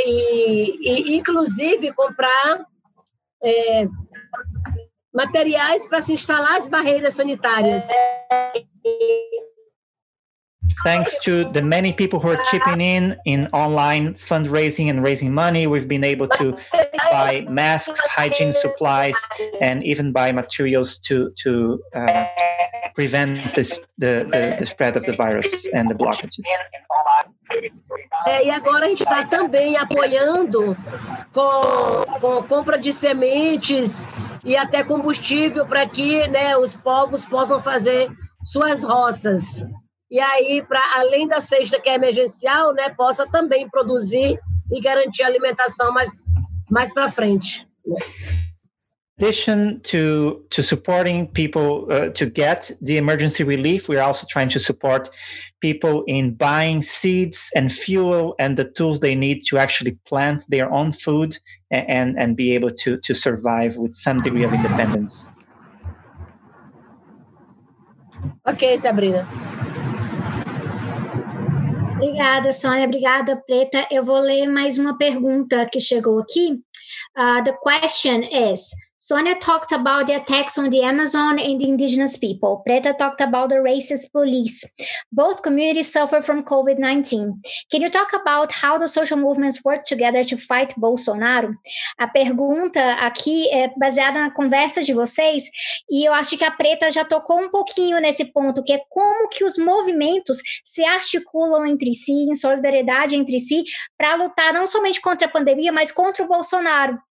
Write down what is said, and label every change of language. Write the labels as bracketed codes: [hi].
[pt] E inclusive comprar materiais para se instalar as barreiras sanitárias. [en] Thanks to the many people who are chipping in online fundraising and raising money, we've been able to buy masks, hygiene supplies, and even buy materials to prevent the spread of the virus and the blockages. [pt] E agora a gente está também apoiando com compra de sementes e até combustível para que, né, os povos possam fazer suas roças. E aí, para além da cesta que é emergencial, né, possa também produzir e garantir alimentação mais para frente. [en] In addition to supporting people to get the emergency relief, we're also trying to support people in buying seeds and fuel and the tools they need to actually plant their own food and be able to survive with some degree of independence. Okay, Sabrina. [pt] Obrigada, Sônia. Obrigada, Preta. Eu vou ler mais uma pergunta que chegou aqui. [en] The question is... Sonia talked about the attacks on the Amazon and the indigenous people. Preta talked about the racist police. Both communities suffer from COVID-19. Can you talk about how the social movements work together to fight Bolsonaro? [pt] A pergunta aqui é baseada na conversa de vocês, e eu acho que a Preta já tocou um pouquinho nesse ponto, que é como que os movimentos se articulam entre si, em solidariedade entre si, para lutar não somente contra a pandemia, mas contra o Bolsonaro.